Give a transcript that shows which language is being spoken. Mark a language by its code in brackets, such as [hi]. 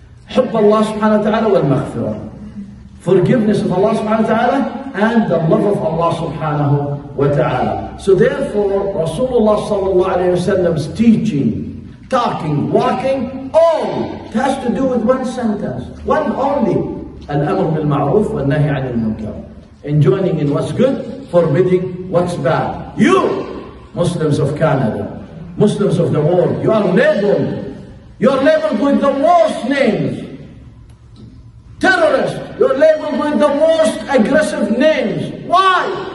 [ar] حب الله سبحانه وتعالى والمغفرة. [en] Forgiveness of Allah سبحانه وتعالى and the love of Allah سبحانه وتعالى. So therefore, Rasulullah صلى الله عليه وسلم's teaching, talking, walking, all it has to do with one sentence, one only. [ar] الأمر بالمعروف والنهي عن المنكر. [en] Enjoining in what's good, forbidding what's bad. You, Muslims of Canada, Muslims of the world, you are labeled. You're labeled with the worst names. Terrorists. You're labeled with the most aggressive names. Why?